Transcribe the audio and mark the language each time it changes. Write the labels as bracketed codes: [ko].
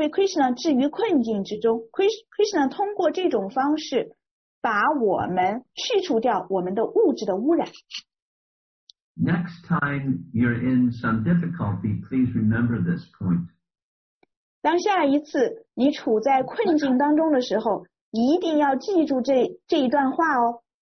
[zh] 我们有的时候被Krishna置于困境之中, Krishna通过这种方式, 把我们去除掉我们的物质的污染。 [en] Next time you're in some difficulty, please remember this point. [zh] 当下一次你处在困境当中的时候, 一定要记住这一段话哦。